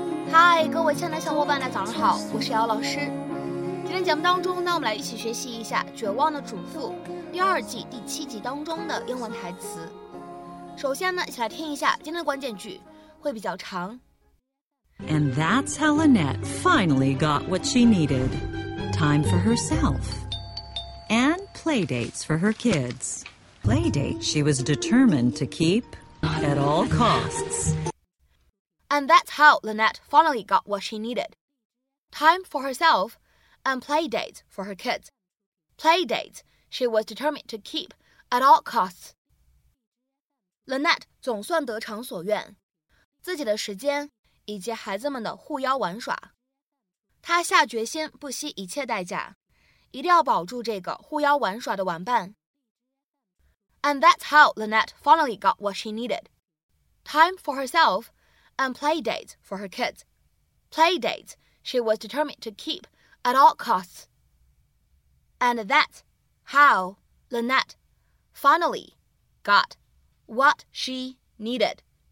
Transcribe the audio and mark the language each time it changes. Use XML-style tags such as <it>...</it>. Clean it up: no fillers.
<zh>嗨，各位亲爱的小伙伴呢，早上好，我是姚老师。今天节目当中呢，我们来一起学习一下《绝望的主妇》第二季第七集当中的英文台词。首先呢，一起来听一下今天的关键句，会比较长。</zh> <en>And that's how Lynette finally got what she needed. Time for herself. And play dates for her kids. Play dates she was determined to keep at all costs. And that's how Lynette finally got what she needed. Time for herself and play dates for her kids. Play dates she was determined to keep at all costs.</en> <zh>Lynette 总算得偿所愿，自己的时间以及孩子们的护腰玩耍，他下决心不惜一切代价，一定要保住这个护腰玩耍的玩伴。</zh> <en>And that's how Lynette finally got what she needed. Time for herself and play dates for her kids. Play dates she was determined to keep at all costs. And that's how Lynette finally got what she needed.</en>